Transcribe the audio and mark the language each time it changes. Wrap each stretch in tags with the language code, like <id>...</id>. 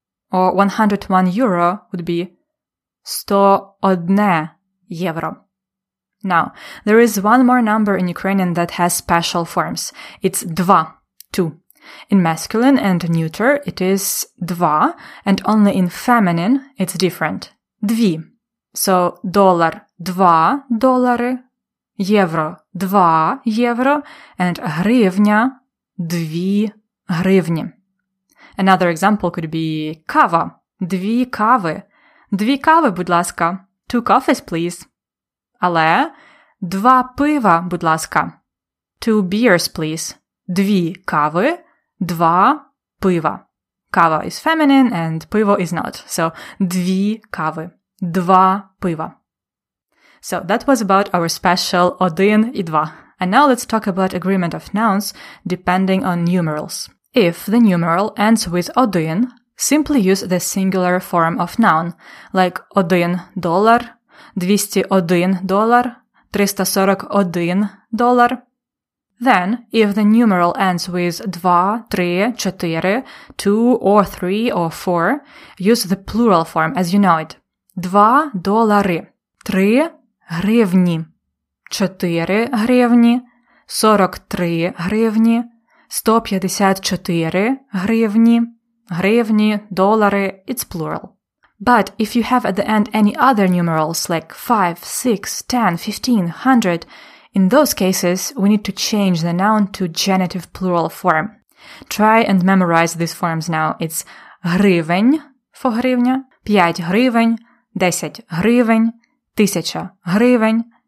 <en>Or 101 euro would be</en> <uk>101 євро.</uk> <en>Now, there is one more number in Ukrainian that has special forms. It's два, two. In masculine and neuter, it is два, and only in feminine, it's different.</en> <uk>Дві. So, долар – два долари, євро – два євро, and гривня – дві гривні.</uk> <en>Another example could be</en> <uk>кава – дві кави. Дві кави, будь ласка.</uk> <en>Two coffees, please.</en> <uk>Але два пива, будь ласка.</uk> <en>Two beers, please.</en> <uk>Дві кави, два пива.</uk> <en>Кава is feminine and пиво is not. So,</en> <uk>дві кави, два пива.</uk> <en>So, that was about our special</en> <uk>один і два.</uk> <en>And now let's talk about agreement of nouns depending on numerals. If the numeral ends with один, simply use the singular form of noun, like</en> <uk>один долар, 201 долар, 341 долар.</uk> <en>Then, if the numeral ends with 2, 3, 4, 2 or 3 or 4, use the plural form as you know it.</en> <uk>2 долари, 3 гривні, 4 гривні, 43 гривні, 154 гривні, гривні, долари,</uk> <en>it's plural. But if you have at the end any other numerals, like 5, 6, 10, 15, 100, in those cases, we need to change the noun to genitive plural form. Try and memorize these forms now. It's гривень for гривня,</en> <uk>5 гривень, 10 гривень, 1000 гривень.</uk>